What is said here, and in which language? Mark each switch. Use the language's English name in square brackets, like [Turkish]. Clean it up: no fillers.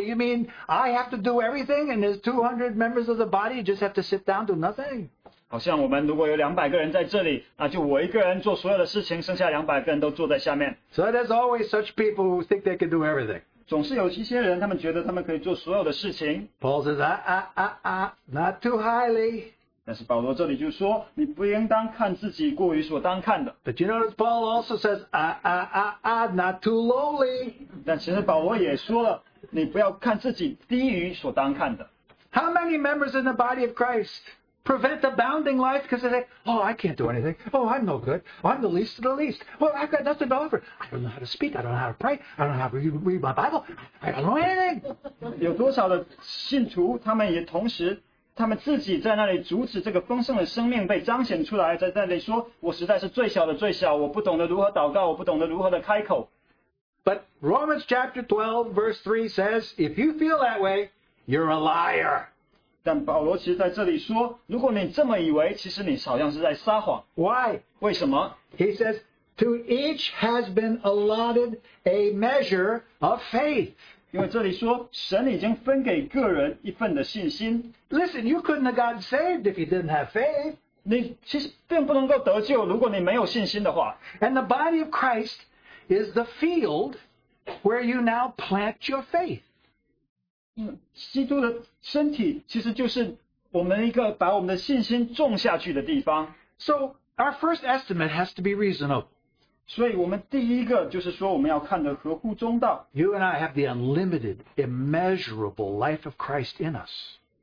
[English] You mean I have to do everything and there's 200 members of the body you just have to sit down and do nothing? [Chinese] 好像我们如果有200个人在这里, 那就我一个人做所有的事情, 剩下200个人都坐在下面。 [English] So there's always such people who think they can do everything. [Chinese] 总是有一些人, 他们觉得他们可以做所有的事情。 [English] Paul says, not too highly. [Chinese] 但是保罗这里就说, [English] but you notice Paul also says, not too lowly. [Chinese] 但其实保罗也说了, [English] how many members in the body of Christ prevent abounding life because they say, oh, I can't do anything. Oh, I'm no good. Oh, I'm the least of the least. Well, I've got nothing to offer. I don't know how to speak. I don't know how to pray. I don't know how to read my Bible. I don't know anything. [Chinese] 有多少的信徒, 他们也同时, 他们自己在那里阻止这个丰盛的生命被彰显出来, 在那里说, 我实在是最小的最小, 我不懂得如何祷告, 我不懂得如何的开口。 [English] But Romans chapter 12 verse 3 says, if you feel that way, you're a liar. [Chinese] 但保罗其实在这里说, 如果你这么以为, 其实你好像是在撒谎。 [English] Why? [Chinese] 为什么? [English] He says, to each has been allotted a measure of faith. [Chinese] 因为这里说神已经分给个人一份的信心。 [English] Listen, you couldn't have gotten saved if you didn't have faith. [Chinese] 你其实并不能够得救如果你没有信心的话。 [English] And the body of Christ is the field where you now plant your faith. [Chinese] 基督的身体其实就是我们一个把我们的信心种下去的地方。 [English] So our first estimate has to be reasonable. [Chinese] 所以我们第一个就是说我们要看得合乎中道。 [English] You and I have the unlimited, immeasurable life of Christ in us.